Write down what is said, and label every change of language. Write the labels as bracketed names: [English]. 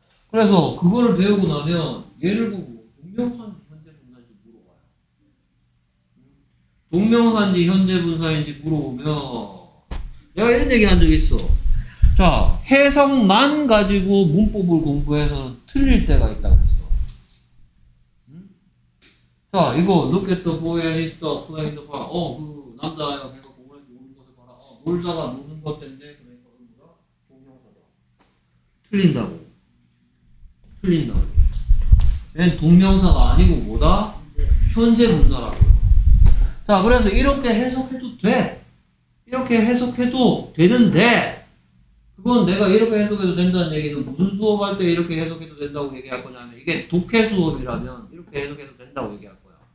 [Korean] 그래서 그거를 배우고 나면 얘를 보고 동명사인지 현재 분사인지 물어봐요. 동명사인지 현재 분사인지 물어보면 내가 이런 얘기 한 적 있어. 자, 해석만 가지고 문법을 공부해서는 틀릴 때가 있다 그랬어. 자, 이거 [English] look at the boy and his dog playing the park. [Korean] 그 남자야 걔가 공원에서 노는 것을 봐라. 놀다가 노는 것 때문에 그러니까 뭐야? 동명사다. 틀린다고. 틀린다고. 얘는 동명사가 아니고 뭐다? 현재 분사라고. 자, 그래서 이렇게 해석해도 돼. 이렇게 해석해도 되는데, 그건 내가 이렇게 해석해도 된다는 얘기는 무슨 수업할 때 이렇게 해석해도 된다고 얘기할 거냐면, 이게 독해 수업이라면 이렇게 해석해도 된다고 얘기할 거야.